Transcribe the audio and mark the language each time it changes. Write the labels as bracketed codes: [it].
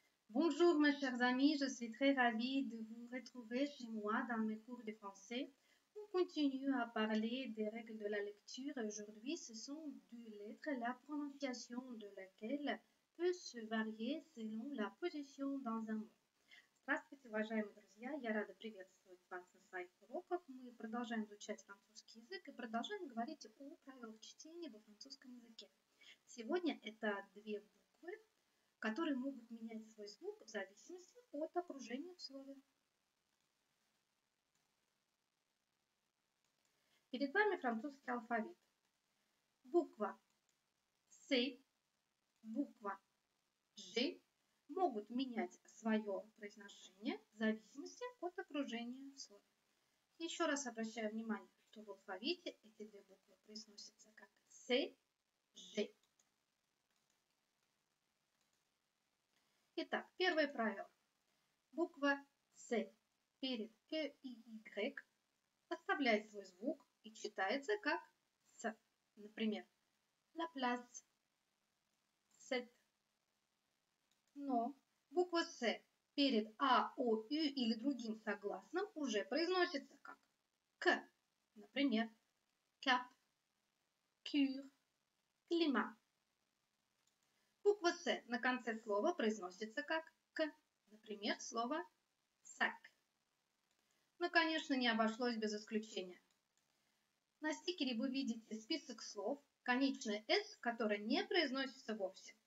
[fr] Bonjour, mes chers amis, je suis très ravie de vous retrouver chez moi dans mes cours de français. On continue à parler des règles de la lecture. Aujourd'hui, ce sont deux lettres, la prononciation de laquelle peut se varier selon la position dans un mot. [ru] Здравствуйте, уважаемые друзья! Я рада приветствовать вас на своих уроках. Мы продолжаем изучать французский язык и продолжаем говорить о правилах чтения во французском языке. Сегодня это две буквы, которые могут менять свой звук в зависимости от окружения в слове. Перед вами французский алфавит. Буква С, буква Ж могут менять свое произношение в зависимости от окружения в слове. Еще раз обращаю внимание, что в алфавите эти две буквы произносятся как С, Ж. Итак, первое правило. Буква С перед К и Y оставляет свой звук и читается как С. Например, la place, set. Но буква С перед А, О, Ю или другим согласным уже произносится как К. Например, cap, cure, climat. Буква С на конце слова произносится как К. Например, слово sac. Но, конечно, не обошлось без исключения. На стикере вы видите список слов, конечное С, которое не произносится вовсе.